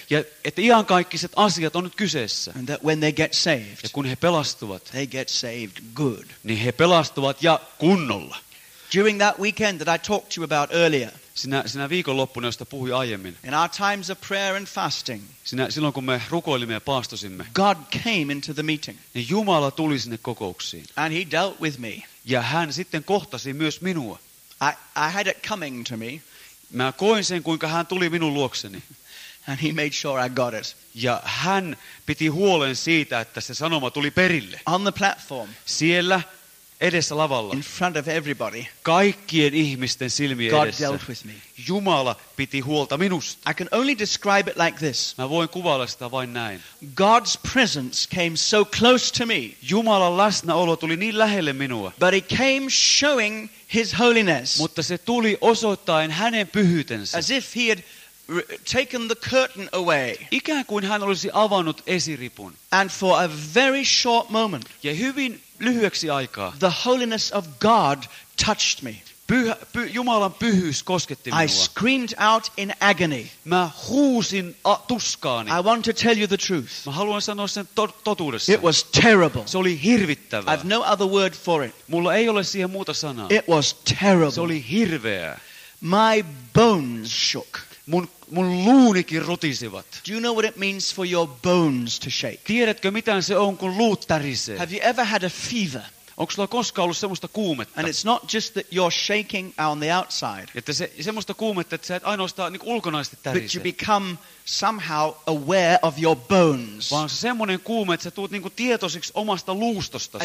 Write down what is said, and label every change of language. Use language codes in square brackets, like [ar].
[fi] Ja että iankaikkiset asiat on nyt kyseessä. [en] And that when they get saved, [fi] ja kun he pelastuvat, [en] they get saved good. [fi] Niin he pelastuvat ja kunnolla. [en] During that weekend that I talked to you about earlier, [fi] sinä viikonloppuna, josta puhuin aiemmin. [en] In our times of prayer and fasting, [fi] silloin kun me rukoilimme ja paastosimme, [en] God came into the meeting. [fi] Niin Jumala tuli sinne kokouksiin. [en] And he dealt with me. [fi] Ja hän sitten kohtasi myös minua. [en] I had it coming to me. [fi] Mä koin sen, kuinka hän tuli minun luokseni. [en] And he made sure I got it. [fi] Ja hän piti huolen siitä, että se sanoma tuli perille. [en] On the platform. [fi] Siellä edessä lavalla. [en] In front of everybody. [fi] Kaikkien ihmisten silmien [en] God [fi] edessä. [en] Dealt with me. [fi] Jumala piti huolta minusta. [en] I can only describe it like this. [fi] Mä voin kuvailla sitä vain näin. [en] God's presence came so close to me. [fi] Jumalan läsnäolo tuli niin lähelle minua. [en] But he came showing his holiness. [fi] Mutta se tuli osoittain hänen pyhyytensä. [en] As if he had taken the curtain away. [fi] Ikään kuin hän olisi avannut esiripun. [en] And for a very short moment. [fi] Ja hyvin lyhyeksi aikaa. [en] The holiness of God touched me. [fi] Jumalan pyhyys kosketti minua. [en] I screamed out in agony. [fi] Mä huusin tuskaani. [en] I want to tell you the truth. [fi] Mä haluan sanoa sen totuudessa. [en] It was terrible. [fi] Se oli hirvittävää. [en] I've no other word for it. [fi] Mulla ei ole siihen muuta sanaa. [en] It was terrible. [fi] Se oli hirveää. [en] My bones shook. [fi] Mun luunikin rutisivat. [en] Do you know what it means for your bones to shake? [fi] Tiedätkö mitä se on, kun luut tärisee? [en] Have you ever had a fever? [fi] Onko sulla koskaan ollut semmoista kuumetta? [en] And it's not just that you're shaking on the outside. [fi] Että se semmoista kuumetta, että sä et ainoastaan niinku ulkonaisesti tärise. [en] But you become somehow aware of your bones. [fi] Vaan se semmoinen kuume, että sä tuut niinku tietoisiksi omasta luustostasi.